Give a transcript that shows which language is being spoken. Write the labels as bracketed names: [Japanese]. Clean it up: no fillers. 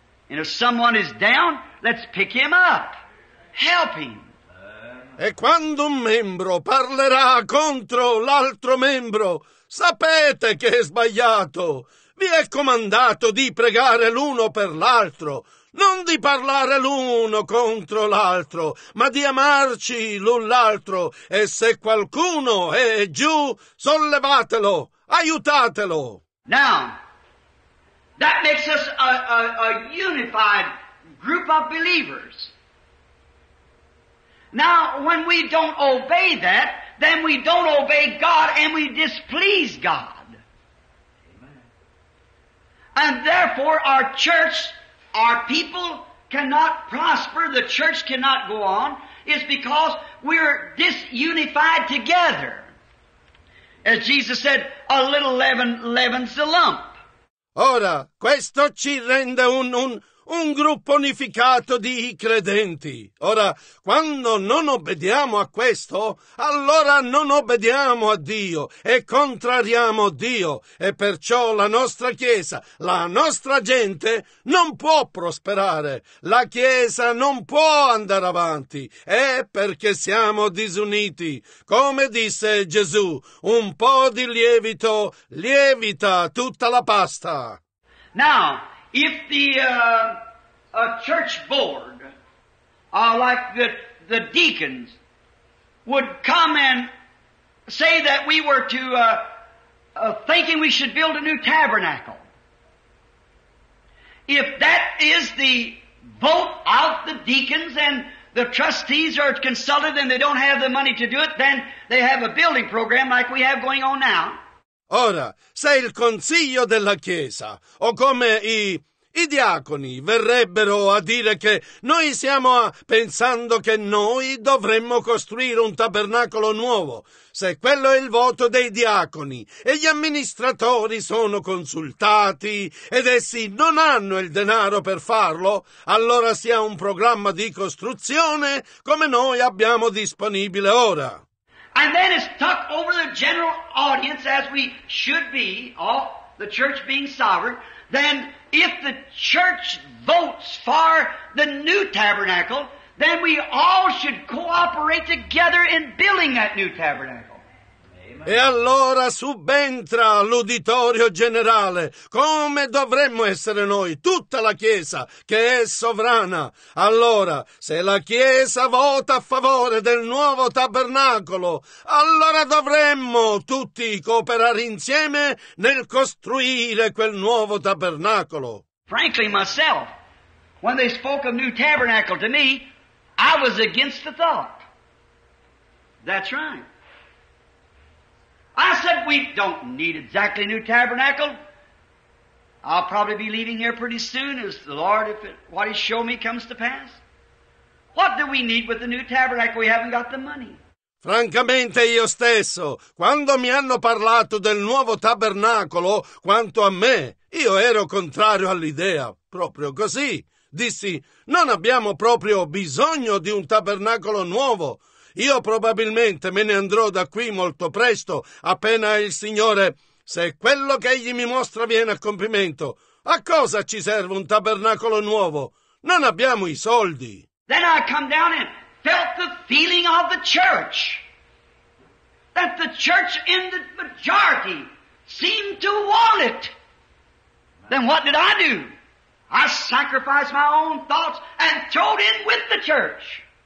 [English] And if someone is down, let's pick him up. Help him. [Italian] E quando un membro parlerà contro l'altro membro, sapete che è sbagliato. Vi è comandato di pregare l'uno per l'altro, non di parlare l'uno contro l'altro, ma di amarci l'un l'altro. E se qualcuno è giù, sollevatelo, aiutatelo. [English] Now, that makes us a unified group of believers. Now, when we don't obey that, then we don't obey God and we displease God. And therefore, our church, our people cannot prosper, the church cannot go on, is because we're disunified together. As Jesus said, a little leaven leavens the lump. [Italian] Ora, questo ci rende un gruppo unificato di credenti. Ora, quando non obbediamo a questo, allora non obbediamo a Dio e contrariamo Dio e perciò la nostra Chiesa, la nostra gente non può prosperare. La Chiesa non può andare avanti. È perché siamo disuniti. Come disse Gesù, un po' di lievito lievita tutta la pasta. [English] Now, if the a church board, like the deacons, would come and say that we were to thinking we should build a new tabernacle. If that is the vote of the deacons and the trustees are consulted and they don't have the money to do it, then they have a building program like we have going on now. [Italian] Ora, se il consiglio della chiesa o come i i diaconi verrebbero a dire che noi siamo pensando che noi dovremmo costruire un tabernacolo nuovo, se quello è il voto dei diaconi e gli amministratori sono consultati ed essi non hanno il denaro per farlo, allora sia un programma di costruzione come noi abbiamo disponibile ora. [English] And then it's stuck over the general audience as we should be, all the church being sovereign. Then if the church votes for the new tabernacle, then we all should cooperate together in building that new tabernacle. [Italian] E allora subentra l'uditorio generale, come dovremmo essere noi, tutta la Chiesa, che è sovrana. Allora, se la Chiesa vota a favore del nuovo tabernacolo, allora dovremmo tutti cooperare insieme nel costruire quel nuovo tabernacolo. [English] Frankly, myself, when they spoke of new tabernacle to me, I was against the thought. That's right. I said, we don't need exactly a new tabernacle. I'll probably be leaving here pretty soon as the Lord, if it, what He showed me comes to pass. What do we need with the new tabernacle? We haven't got the money. [Italian] Francamente io stesso, quando mi hanno parlato del nuovo tabernacolo, quanto a me, io ero contrario all'idea, proprio così. Dissi, non abbiamo proprio bisogno di un tabernacolo nuovo. Io probabilmente me ne andrò da qui molto presto, appena il Signore, se quello che Egli mi mostra viene a compimento, a cosa ci serve un tabernacolo nuovo? Non abbiamo i soldi. [English] Then I come down and felt the feeling of the church, that the church in the majority seemed to want it. Then what did I do? I sacrificed my own thoughts and throwed in with the church.